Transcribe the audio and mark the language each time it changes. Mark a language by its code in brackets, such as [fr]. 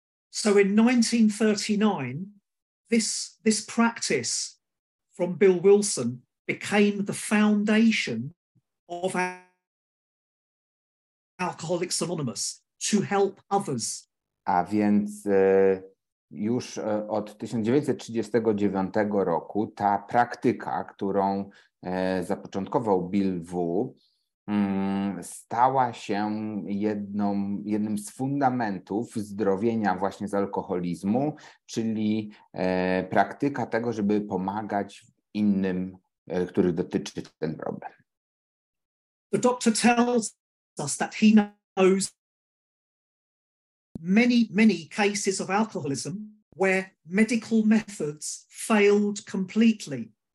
[en] So in 1939, this practice from Bill Wilson became the foundation of Alcoholics Anonymous to help others. [pl] A więc już od 1939 roku ta praktyka, którą zapoczątkował Bill W., stała się jednym z fundamentów zdrowienia właśnie z alkoholizmu, czyli praktyka tego, żeby pomagać innym, których dotyczy ten problem. [en] The doctor tells us that he knows many, many cases of alcoholism where medical methods failed completely.